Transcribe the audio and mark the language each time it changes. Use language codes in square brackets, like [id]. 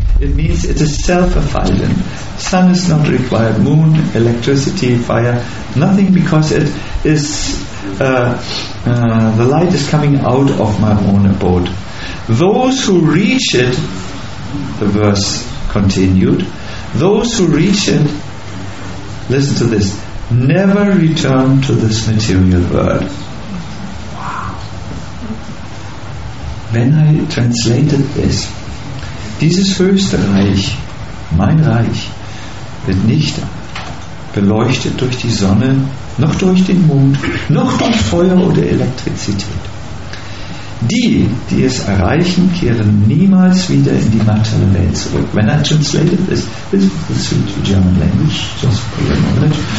[en] It means it is self-effulgent. Sun is not required, moon, electricity, fire, nothing, because it is the light is coming out of my own abode. Those who reach it, the verse continued, those who reach it, listen to this, never return to this material world. When I translated this, [de] dieses höchste Reich, mein Reich, wird nicht beleuchtet durch die Sonne, noch durch den Mond, noch durch Feuer oder Elektrizität. Die, die es erreichen, kehren niemals wieder in die materielle Welt zurück. [en] When I translated this, this is into German language, just for your knowledge.